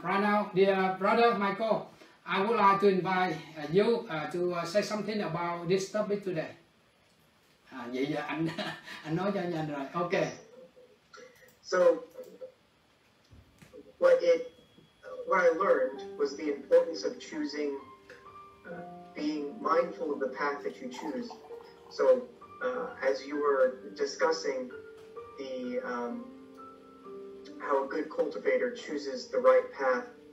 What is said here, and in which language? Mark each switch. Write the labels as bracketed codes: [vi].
[en] Right now, dear brother Michael, I would like to invite you to say something about this topic today. [vi] Vậy giờ anh nói cho nhanh rồi. [en] Ok. So, what I learned was the importance of choosing, being mindful of the path that you choose. So, as you were discussing the how a good cultivator chooses the right path,